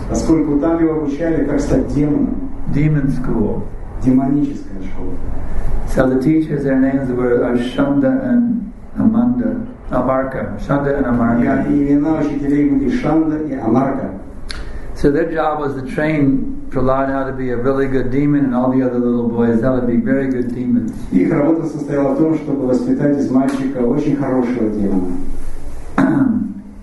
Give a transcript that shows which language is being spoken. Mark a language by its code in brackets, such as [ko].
[ru] Поскольку там его обучали, как стать демоном. [en] Demon school. [ru] Демоническая школа. [en] So the teachers, their names were Ashanda and Amanda, Amarka, Shanda and Amarka. So their job was to train Prahlad how to be a really good demon and all the other little boys, that would be very good demons. [ru] Их работа состояла в том, чтобы воспитать из мальчика очень хорошего демона.